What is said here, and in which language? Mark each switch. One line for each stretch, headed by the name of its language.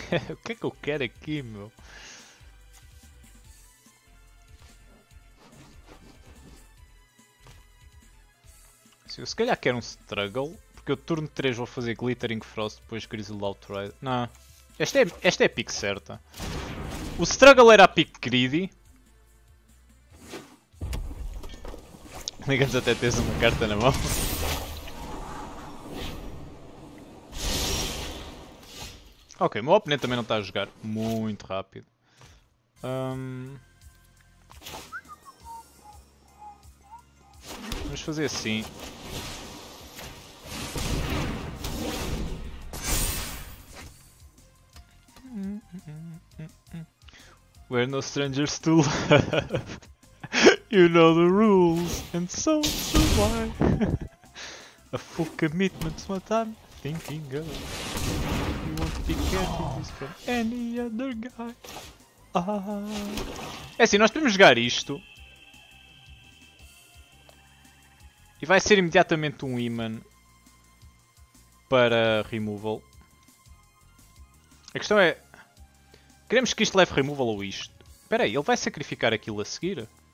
Portuguese: o que é que eu quero aqui, meu? Se eu se calhar quero um struggle, porque eu turno 3 vou fazer Glittering Frost, depois Grizzled Outrider. Não. Esta é a pick certa. O struggle era a pick greedy. Ligas até tens uma carta na mão. Ok, meu oponente também não está a jogar muito rápido. Vamos fazer assim.
English: We're no strangers to love. You know the rules, and so do I. A full commitment is what I'm thinking of. You won't be getting this from any other guy.
Portuguese: É assim, nós podemos jogar isto. E vai ser imediatamente um imã para removal. A questão é, queremos que isto leve removal ou isto? Espera aí, ele vai sacrificar aquilo a seguir?